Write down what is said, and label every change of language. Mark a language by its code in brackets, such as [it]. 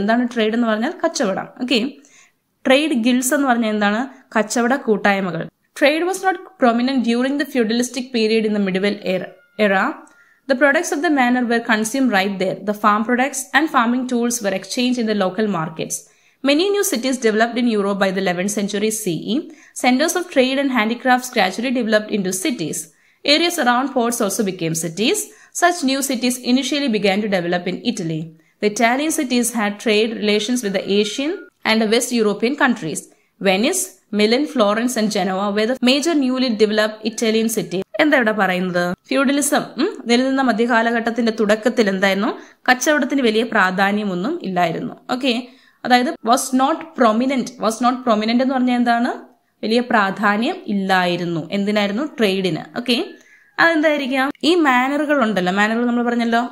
[ml] എന്താണ് ട്രേഡ് എന്ന് പറഞ്ഞാൽ കച്ചവടം. ഓക്കെ, ട്രേഡ് ഗിൽഡ്സ് എന്ന് പറഞ്ഞാൽ എന്താണ്, കച്ചവട കൂട്ടായ്മകൾ. [en] Trade was not prominent during the feudalistic period in the medieval era. The products of the manor were consume right there. The farm products and farming tools were exchange in the local markets. Many new cities developed in Europe by the 11th century CE. Centers of trade and handicrafts gradually developed into cities. Areas around ports also became cities. Such new cities initially began to develop in Italy. The Italian cities had trade relations with the Asian and the West European countries. Venice, Milan, Florence and Genoa were the major newly developed Italian cities. [ml] എന്താ ഇവിടെ പറയുന്നത്? Feudalism നിലനിന്ന മധ്യകാലഘട്ടത്തിന്റെ തുടക്കത്തിൽ എന്തായിരുന്നു, കച്ചവടത്തിന് വലിയ പ്രാധാന്യമൊന്നും ഇല്ലായിരുന്നു. Okay, അതായത് [en] Was not prominent. Was not prominent [ml] എന്ന് പറഞ്ഞാൽ എന്താണ്, വലിയ പ്രാധാന്യം ഇല്ലായിരുന്നു. എന്തിനായിരുന്നു? ട്രേഡിന്. ഓക്കെ, അതെന്തായിരിക്കാം? ഈ മാനറുകൾ ഉണ്ടല്ലോ, മാനറുകൾ നമ്മൾ പറഞ്ഞല്ലോ.